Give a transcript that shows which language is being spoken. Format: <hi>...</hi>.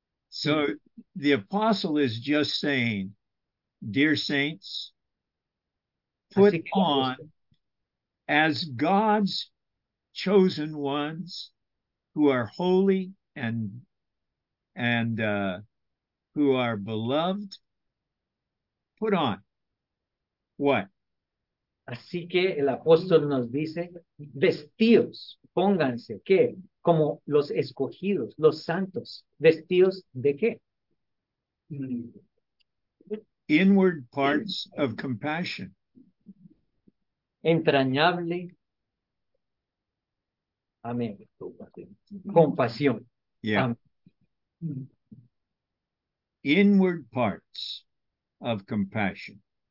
<en>So the apostle is just saying, dear saints, put on as God's chosen ones who are holy and who are beloved, put on what?</en> <es>Así que el apóstol nos dice, vestidos, pónganse, ¿qué? Como los escogidos, los santos, ¿vestidos de qué?</es> <en>Inward parts of compassion.</en> <es>Entrañable. Amén. Compasión.</es> <en>Yeah. Inward parts of compassion.</en>